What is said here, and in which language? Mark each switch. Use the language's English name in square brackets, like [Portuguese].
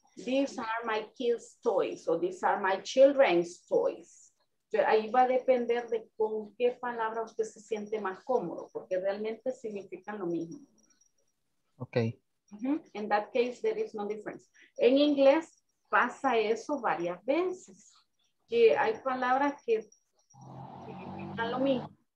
[English] These are my kids' toys, o these are my children's toys. [Spanish] Ahí va a depender de con qué palabra usted se siente más cómodo, porque realmente significan lo mismo. [English] Ok. Uh-huh. In that case, there is no difference. [Spanish] En inglés pasa eso varias veces, que hay palabras que significan están lo mismo.